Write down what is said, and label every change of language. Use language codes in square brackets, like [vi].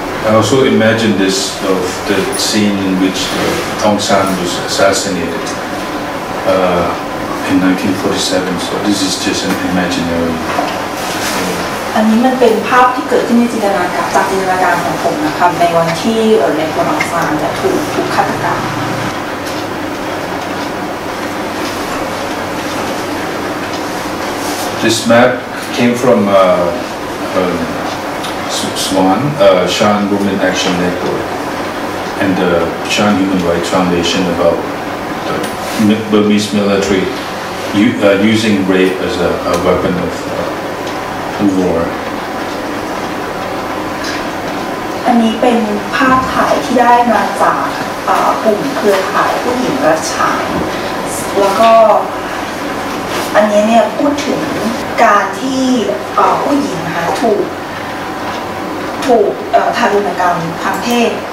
[en] I also imagine this of the scene in which Aung San was assassinated in 1947. So this is just an imaginary. [th] อันนี้มันเป็นภาพที่เกิดขึ้นในจินตนาการจากจินตนาการของผมนะครับในวันที่ในตัวAung San จะถูกฆาตกรรม [en] This map came from Swan, Shan Women Action Network, and the Shan Human Rights Foundation about the Burmese military using rape as a weapon of war. [th] อันนี้เป็นภาพถ่ายที่ได้มาจากกลุ่มเครือข่ายผู้หญิงและชายแล้วก็อันนี้เนี่ยพูดถึงการที่ผู้หญิงถูกทารุณกรรมทางเพศ